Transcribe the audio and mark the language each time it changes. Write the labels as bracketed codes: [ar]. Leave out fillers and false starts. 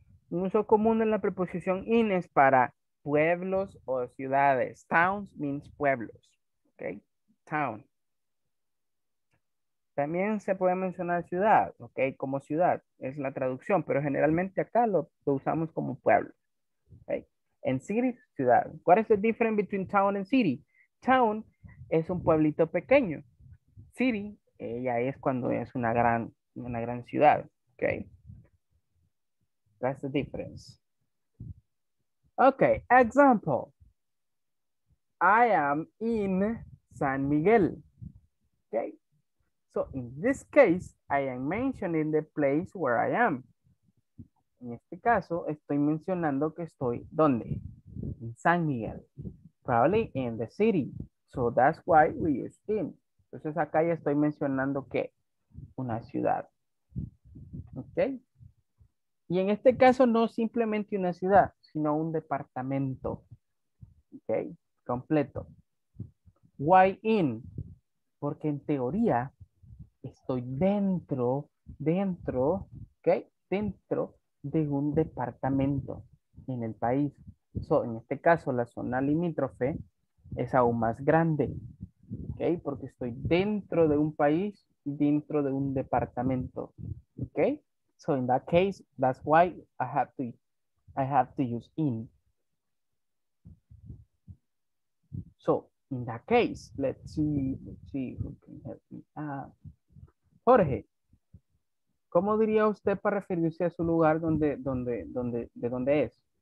[es] Un uso común en la preposición in es para pueblos o ciudades. [en] Towns means pueblos, okay? Town. [es] También se puede mencionar ciudad, okay? Como ciudad, es la traducción, pero generalmente acá lo usamos como pueblo, okay? [en] And city, ciudad. What is the difference between town and city? [es] Town es un pueblito pequeño. City, ella es cuando es una gran ciudad, okay? [en] That's the difference. Okay, example. I am in San Miguel. Okay. So in this case, I am mentioning the place where I am. [es] En este caso, estoy mencionando que estoy, ¿dónde? [en] In San Miguel. Probably in the city. So that's why we use in. [es] Entonces acá ya estoy mencionando que una ciudad. Okay. Y en este caso no simplemente una ciudad, sino un departamento. Okay. Completo. [en] Why in? [es] Porque en teoría estoy dentro de un departamento en el país. So, en este caso, la zona limítrofe es aún más grande, ¿okay? Porque estoy dentro de un país, dentro de un departamento, ¿okay? [en] So, in that case, that's why I have to use in. So, in that case, let's see who can help me. [es] Jorge, ¿cómo diría usted para referirse a su lugar de dónde es?